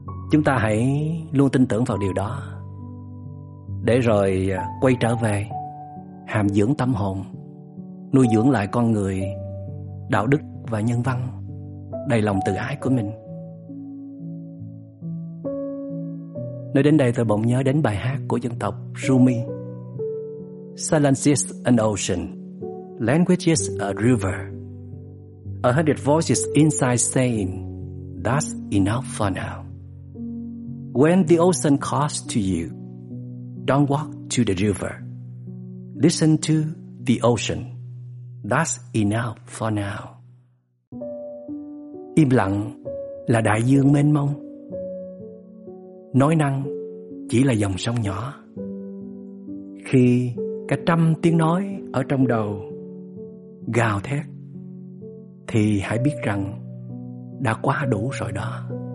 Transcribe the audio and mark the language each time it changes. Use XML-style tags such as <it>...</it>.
<vi>Chúng ta hãy luôn tin tưởng vào điều đó, để rồi quay trở về hàm dưỡng tâm hồn, nuôi dưỡng lại con người đạo đức và nhân văn đầy lòng tự ái của mình. Nói đến đây tôi bỗng nhớ đến bài hát của dân tộc Rumi,</vi> <en>"Silence is an ocean, language is a river. A hundred voices inside saying, that's enough for now. When the ocean calls to you, don't walk to the river. Listen to the ocean, that's enough for now."</en> <vi>Im lặng là đại dương mênh mông, nói năng chỉ là dòng sông nhỏ. Khi cả trăm tiếng nói ở trong đầu gào thét, thì hãy biết rằng đã quá đủ rồi đó.</vi>